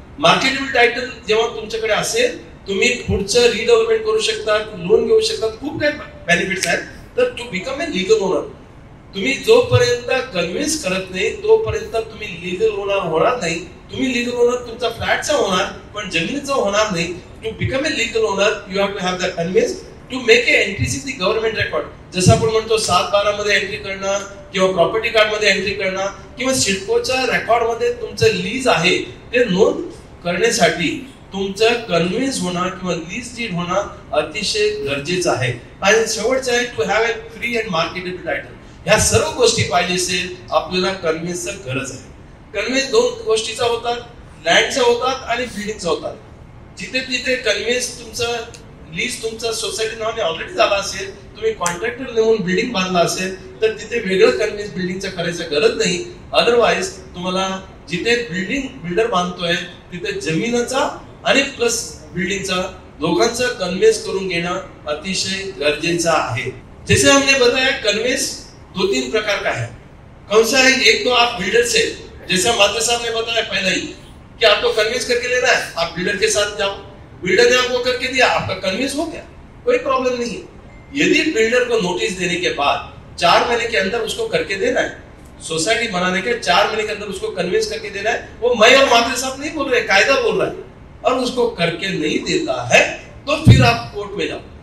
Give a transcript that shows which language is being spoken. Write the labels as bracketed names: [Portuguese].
[Marathi] Marketable title जेव्हा तुमच्याकडे असेल, तुम्ही पुढचं रिडेव्हलपमेंट करू शकता, लोन घेऊ शकता, खूप काही बेनिफिट्स आहेत, तर [English] To become a legal owner. [Marathi] तुम्ही जोपर्यंत कन्विन्स करत नाही तोपर्यंत तुम्ही लीगल ओनर होणार नाही। तुम्ही लीगल ओनर तुमचा फ्लॅटचा होणार पण जमिनीचा होणार नाही। [English] To become a legal owner you have to have the convince to make a entry in the government record. [Marathi] जसं आपण म्हणतो 7-12 मध्ये एंट्री करणं, किंवा प्रॉपर्टी कार्ड मध्ये एंट्री करणं, किंवा सिडकोच्या रेकॉर्ड मध्ये तुमचं लीज आहे ते नोंद करण्यासाठी तुमचं कन्व्हिन्स होणं किंवा लीज डीड होणं अतिशय गरजेचं आहे। आणि शेवटचं आहे [English] To have a free and marketable title. [Marathi] ह्या सर्व गोष्टी पाहिजे असेल आपल्याला कन्व्हिन्सचं गरज आहे। कन्व्हिन्स दोन गोष्टीचा होतात, लँडचा होतात आणि बिल्डिंगचा होतात। जिथे तिथे कन्व्हिन्स तुमचं लीज तुमचा सोसायटी नावाने ऑलरेडी झाला असेल, तुम्ही कॉन्ट्रॅक्टर नेऊन बिल्डिंग बांधला असेल, तर तिथे वेगळं कन्व्हिन्स बिल्डिंगचा करायचं गरज नाही। अदरवाईज तुम्हाला जिथे बिल्डिंग बिल्डर बांधतोय तिथे जमिनीचा आणि प्लस बिल्डिंगचा दोघांचा कन्व्हिन्स करून घेणं अतिशय गरजेचं आहे। [Hindi] जसे आम्ही बताया कन्व्हिन्स दो तीन प्रकार का है। कौन सा है, एक तो आप बिल्डर से, जैसा मात्र साहब ने बताया पहले ही कि आपको कन्विंस करके लेना है, आप बिल्डर के साथ जाओ, बिल्डर ने आपको करके दिया, आपका कन्विंस हो गया, कोई प्रॉब्लम नहीं है। यदि बिल्डर को नोटिस देने के बाद 4 महीने के अंदर उसको करके देना है, सोसाइटी बनाने के 4 महीने के अंदर उसको कन्विंस करके देना है, वो मैं और मात्र साहब नहीं बोल रहे, कायदा बोल रहा है, और उसको करके नहीं देता है तो फिर आप कोर्ट में जाओ।